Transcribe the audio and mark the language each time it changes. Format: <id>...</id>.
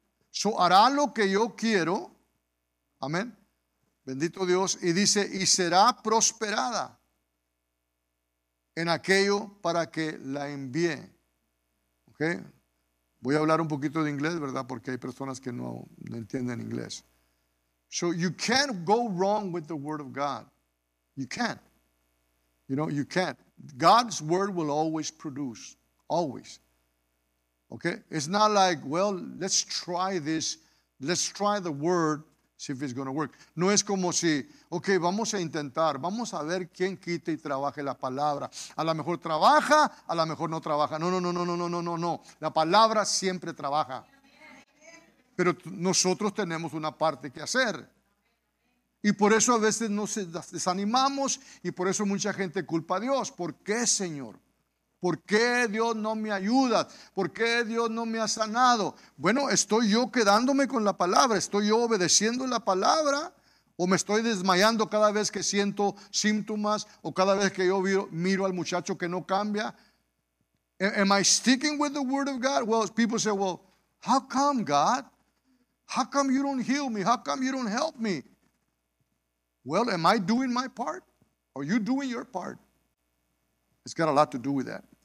<es>So, hará lo que yo quiero. ¿Amén? Bendito Dios, y dice, y será prosperada en aquello para que la envíe. ¿Ok? Voy a hablar un poquito de inglés, ¿verdad? Porque hay personas que no entienden inglés.</es> <en>So, you can't go wrong with the word of God. You can't. You know, you can't. God's word will always produce. Always. ¿Ok? It's not like, well, let's try this. Let's try the word. See if it's going to work.</en> <es>No es como si, ok, vamos a intentar, vamos a ver quién quite y trabaje la palabra. A lo mejor trabaja, a lo mejor no trabaja. No. La palabra siempre trabaja. Pero nosotros tenemos una parte que hacer. Y por eso a veces nos desanimamos y por eso mucha gente culpa a Dios. ¿Por qué, Señor? ¿Por qué Dios no me ayuda? ¿Por qué Dios no me ha sanado? Bueno, estoy yo quedándome con la palabra, estoy yo obedeciendo la palabra, o me estoy desmayando cada vez que siento síntomas, o cada vez que yo miro al muchacho que no cambia.</es> <en>Am I sticking with the word of God? Well, people say, well, how come, God? How come you don't heal me? How come you don't help me? Well, am I doing my part? Are you doing your part? It's got a lot to do with that.</en>